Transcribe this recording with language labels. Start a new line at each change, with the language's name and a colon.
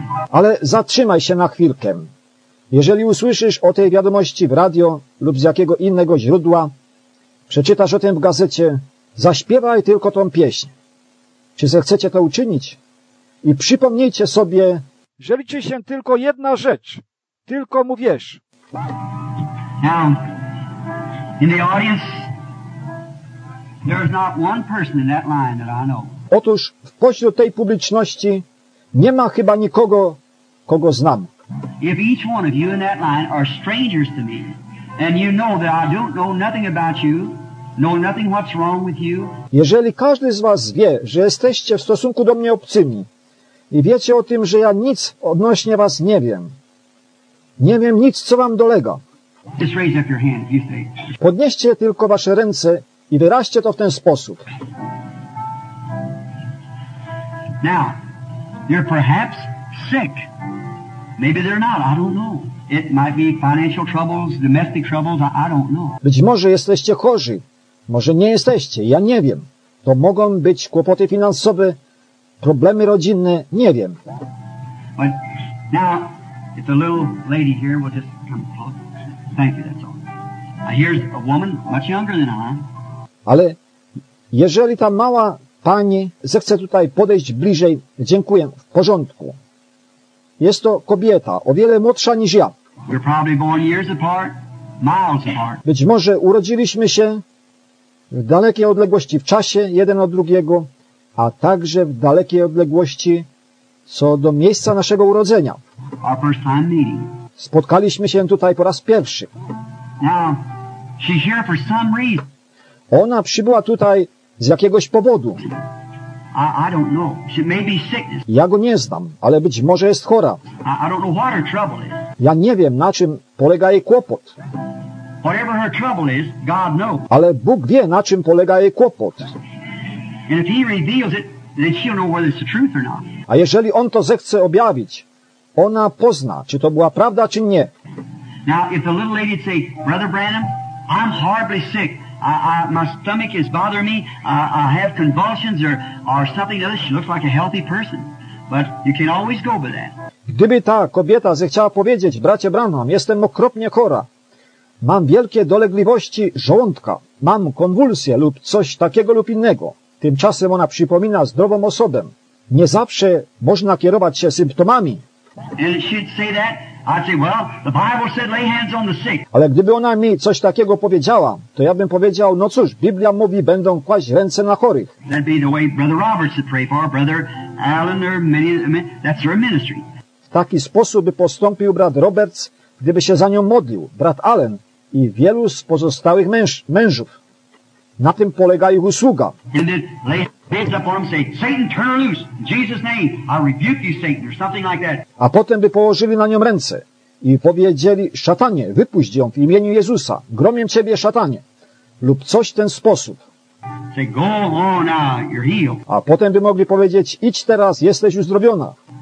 Polish: Ale zatrzymaj się na chwilkę. Jeżeli usłyszysz o tej wiadomości w radio lub z jakiego innego źródła, przeczytasz o tym w gazecie, zaśpiewaj tylko tą pieśń. Czy zechcecie to uczynić? I przypomnijcie sobie, że liczy się tylko jedna rzecz. Tylko mu wierz.
English: Now, in the audience, there's not one person in that line that I know.
Polish: Otóż w pośród tej publiczności nie ma chyba nikogo, kogo znam.
English: If each one of you in that line are strangers to me, and you know that I don't know nothing about you, know nothing what's wrong with you.
Polish: Jeżeli każdy z was wie, że jesteście w stosunku do mnie obcymi i wiecie o tym, że ja nic odnośnie was nie wiem, nie wiem nic, co wam dolega,
English: just raise up your hand if you say.
Polish: Podnieście tylko wasze ręce i wyraźcie to w ten sposób.
English: Now, you're perhaps sick. Maybe they're not, I don't know. It might be financial troubles, domestic troubles, I don't know.
Polish: Być może jesteście chorzy. Może nie jesteście, ja nie wiem. To mogą być kłopoty finansowe, problemy rodzinne, nie wiem.
English: But now, it's a little lady here, we'll just come close. Thank you, that's all. Now, here's a woman, much younger than I.
Polish: Ale jeżeli ta mała pani zechce tutaj podejść bliżej, dziękuję, w porządku. Jest to kobieta, o wiele młodsza niż ja.
English: We're probably born years apart, miles apart.
Polish: Być może urodziliśmy się w dalekiej odległości, w czasie jeden od drugiego, a także w dalekiej odległości co do miejsca naszego urodzenia.
English: Our first time meeting.
Polish: Spotkaliśmy się tutaj po raz pierwszy.
English: Now, she's here for some reason.
Polish: Ona przybyła tutaj z jakiegoś powodu.
English: I don't know. She may be sickness.
Polish: Ja go nie znam, ale być może jest chora.
English: I don't know what her trouble is.
Polish: Ja nie wiem, na czym polega jej kłopot.
English: Whatever her trouble is, God knows.
Polish: Ale Bóg wie, na czym polega jej kłopot.
English: And if he reveals it, then she'll know whether it's the truth or not.
Polish: A jeżeli on to zechce objawić, ona pozna, czy to była prawda, czy nie.
English: Now, if the little lady say, Brother Branham, I'm horribly sick. My stomach is bothering me. I have convulsions or something else. She looks like a healthy person. But you can always go by that.
Polish: Gdyby ta kobieta zechciała powiedzieć, bracie Branham, jestem okropnie chora. Mam wielkie dolegliwości żołądka. Mam konwulsję lub coś takiego lub innego. Tymczasem ona przypomina zdrową osobę. Nie zawsze można kierować się symptomami.
English: And she'd say that. I'd say, well, the Bible said lay hands on the sick.
Polish: Ale gdyby ona mi coś takiego powiedziała, to ja bym powiedział, no cóż, Biblia mówi, będą kłaść ręce na chorych.
English: That'd be the way Brother Roberts would pray for, Brother Allen, or many, that's her ministry.
Polish: W taki sposób by postąpił brat Roberts, gdyby się za nią modlił, brat Allen i wielu z pozostałych mężów. Na tym polega ich usługa.
English: And then lay hands up on them, say, Satan, turn her loose. In Jesus' name, I rebuke you, Satan, or something like that.
Polish: A potem by położyli na nią ręce i powiedzieli, szatanie, wypuść ją w imieniu Jezusa. Gromię ciebie, szatanie. Lub coś w ten sposób.
English: Say, go on now, you're healed.
Polish: A potem by mogli powiedzieć, idź teraz, jesteś uzdrowiona.